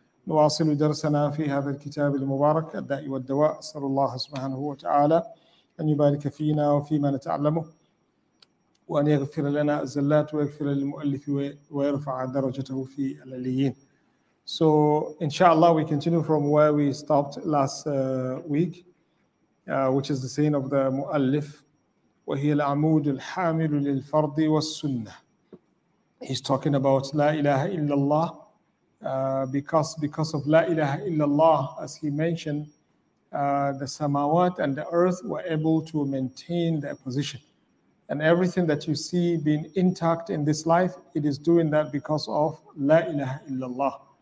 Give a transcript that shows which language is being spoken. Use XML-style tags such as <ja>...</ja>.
<ar>نواصل درسنا في هذا الكتاب المبارك الداء والدواء. صلى الله سبحانه وتعالى أن يبارك فينا وفيما نتعلمه وأن يغفر لنا الزلات ويغفر للمؤلف ويرفع درجته في العليين.</ar> <en>So inshallah we continue from where we stopped last week, which is the saying of the</en> <ar>مؤلف وهي العمود الحامل للفرض والسنة.</ar> <en>He's talking about</en> <ar>لا إله إلا الله.</ar> <en>Because of La ilaha illallah, as he mentioned, the samawat and the earth were able to maintain their position. And everything that you see being intact in this life, it is doing that because of La ilaha illallah.</en>